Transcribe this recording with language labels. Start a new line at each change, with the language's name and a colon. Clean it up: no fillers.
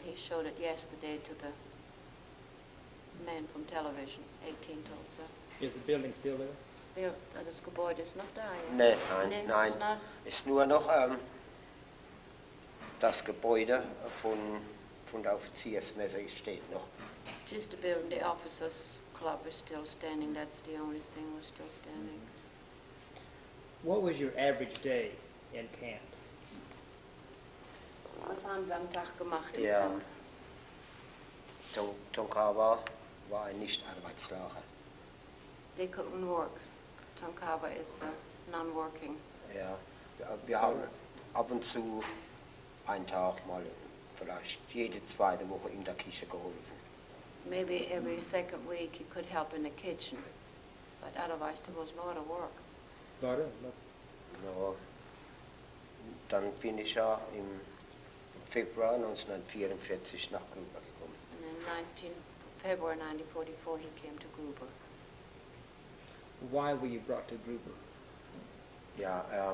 English: He showed it yesterday to the man from television, 18 told sir. Is the building still there?
German: Das Gebäude ist noch da, ja? Nein. Ist nur noch das Gebäude von der Offiziersmesse steht noch.
English: Just the building, the officers. The club is still standing, that's the only thing we're still standing. What was your average day in camp?
German: Was haben Sie am Tag gemacht? Ja, Tonkawa war ein Nicht-Arbeitslager.
English: They couldn't work. Tonkawa is non-working.
German: Ja, wir haben ab und zu einen Tag mal, vielleicht jede zweite Woche in der Küche geholfen.
English: Maybe every second week he could help in the kitchen, but otherwise there was no other work. No.
German: Dann bin ich ja im Februar 1944 nach Gruber gekommen.
English: And in February 1944 he came to Gruber. Why were you brought to Gruber?
German: Ja,